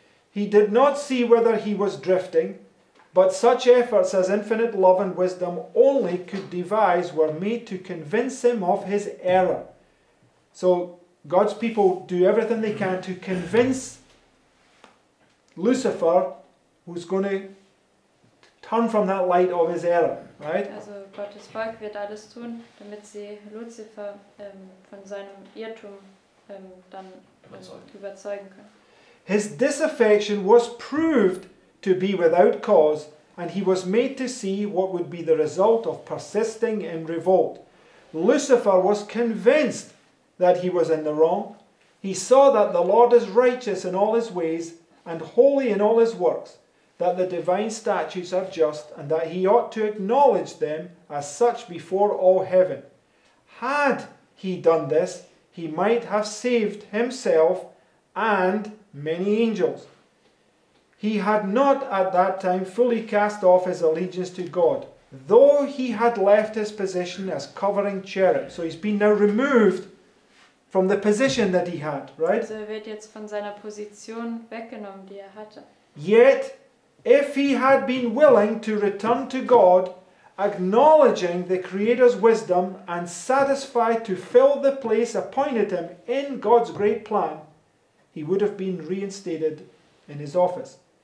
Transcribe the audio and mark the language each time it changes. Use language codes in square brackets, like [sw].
[en] He did not see whether he was drifting, but such efforts as infinite love and wisdom only could devise were made to convince him of his error. So God's people do everything they can to convince Lucifer, who's going to turn from that light, of his error, right? [de] Also Gottes Volk wird alles tun, damit sie Lucifer von seinem Irrtum dann überzeugen können. [en] His disaffection was proved to be without cause, and he was made to see what would be the result of persisting in revolt. Lucifer was convinced that he was in the wrong. He saw that the Lord is righteous in all his ways and holy in all his works, that the divine statutes are just, and that he ought to acknowledge them as such before all heaven. Had he done this, he might have saved himself and many angels. He had not at that time fully cast off his allegiance to God, though he had left his position as covering cherub. So he's been now removed from the position that he had, right? [de] Also er wird jetzt von seiner Position weggenommen, die hatte. [en] Yet, if he had been willing to return to God, acknowledging the Creator's wisdom and satisfied to fill the place appointed him in God's great plan, he would have been reinstated in his office.